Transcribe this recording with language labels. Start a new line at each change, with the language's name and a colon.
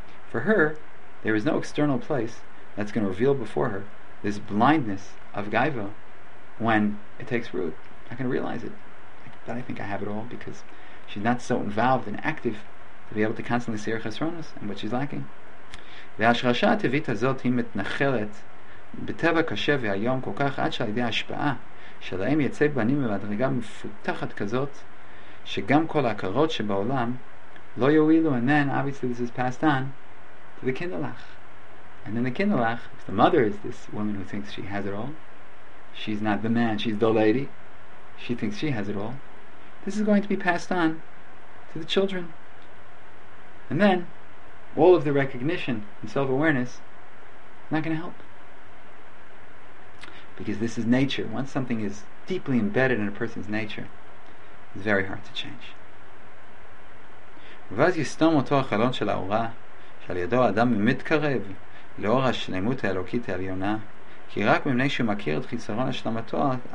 English: For her, there is no external place that's going to reveal before her this blindness of gaiva when it takes root. I can realize it. I think I have it all because she's not so involved and active to be able to constantly see her chesronos and what she's lacking.
Hebrew: והשרשה הטבעית הזאת היא מתנחלת בטבע קשה והיום כל כך עד שעל ידי ההשפעה שלהם יצא בנים במדרגה מפותחת כזאת שגם כל ההכרות שבעולם לא יועילו.
English: And then obviously this is passed on to the kindleach. And then the kindleach, if the mother is this woman who thinks she has it all, she's not the man, she's the lady, she thinks she has it all, this is going to be passed on to the children. And then all of the recognition and self-awareness not going to help. Because this is nature. Once something is deeply embedded in a person's nature, it's very hard to change.
Hebrew: ואז יסתום אותו החלון של האורה, שעל ידו האדם מתקרב לאור השלמות האלוקית העליונה, כי רק ממני שמכיר את חיסרון השלמתו